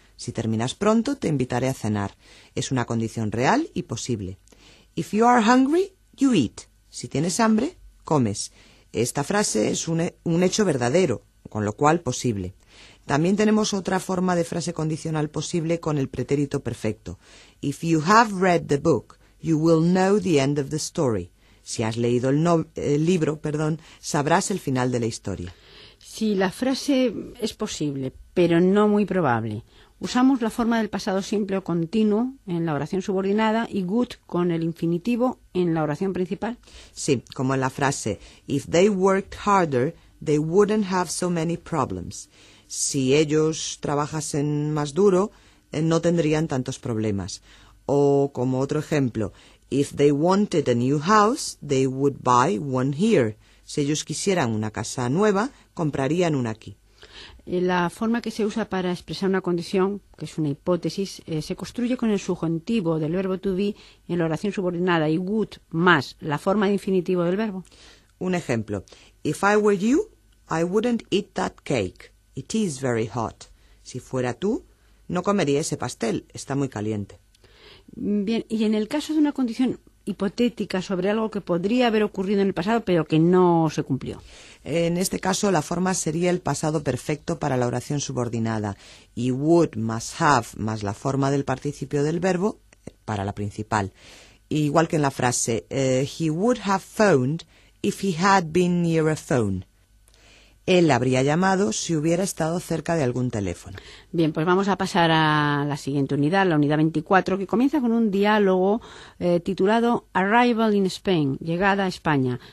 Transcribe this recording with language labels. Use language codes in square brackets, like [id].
[es] Si terminas pronto, te invitaré a cenar. Es una condición real y posible. [en] If you are hungry, you eat. [es] Si tienes hambre, comes. Esta frase es un hecho verdadero, con lo cual posible. También tenemos otra forma de frase condicional posible con el pretérito perfecto. [en] If you have read the book, you will know the end of the story. [es] Si has leído el libro, sabrás el final de la historia. Si la frase es posible, pero no muy probable, usamos la forma del pasado simple o continuo en la oración subordinada y good con el infinitivo en la oración principal. Sí, como en la frase, [en] if they worked harder, they wouldn't have so many problems. [es] Si ellos trabajasen más duro, no tendrían tantos problemas. O como otro ejemplo, [en] if they wanted a new house, they would buy one here. [es] Si ellos quisieran una casa nueva, comprarían una aquí. La forma que se usa para expresar una condición, que es una hipótesis, se construye con el subjuntivo del verbo to be en la oración subordinada y would más la forma de infinitivo del verbo. Un ejemplo. [en] If I were you, I wouldn't eat that cake. It is very hot. [es] Si fuera tú, no comería ese pastel. Está muy caliente. Bien, y en el caso de una condición hipotética sobre algo que podría haber ocurrido en el pasado, pero que no se cumplió. En este caso, la forma sería el pasado perfecto para la oración subordinada y would más have más la forma del participio del verbo para la principal. Igual que en la frase, [en] he would have phoned if he had been near a phone. [es] Él habría llamado si hubiera estado cerca de algún teléfono. Bien, pues vamos a pasar a la siguiente unidad, la unidad 24, que comienza con un diálogo titulado [en] Arrival in Spain, [es] llegada a España.